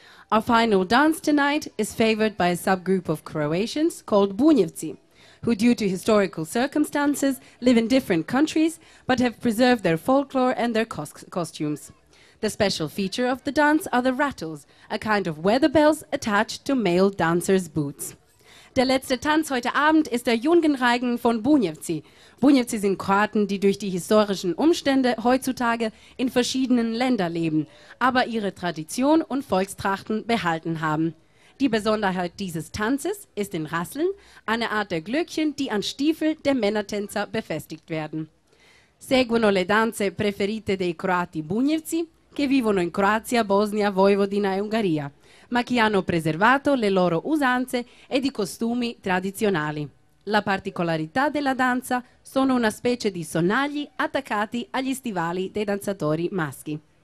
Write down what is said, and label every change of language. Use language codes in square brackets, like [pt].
[en] Our final dance tonight is favored by a subgroup of Croatians called Bunjevci, who due to historical circumstances live in different countries but have preserved their folklore and their costumes. The special feature of the dance are the rattles, a kind of weather bells attached to male dancers' boots. [de] Der letzte Tanz heute Abend ist der Jungenreigen von Bunjevci. Bunjevci sind Kroaten, die durch die historischen Umstände heutzutage in verschiedenen Ländern leben, aber ihre Tradition und Volkstrachten behalten haben. Die Besonderheit dieses Tanzes ist in Rasseln, eine Art der Glöckchen, die an Stiefel der Männertänzer befestigt werden. [it] Seguono le danze preferite dei Croati Bunjevci, che vivono in Croazia, Bosnia, Vojvodina e Ungheria, ma che hanno preservato le loro usanze ed i costumi tradizionali. La particolarità della danza sono una specie di sonagli attaccati agli stivali dei danzatori maschi.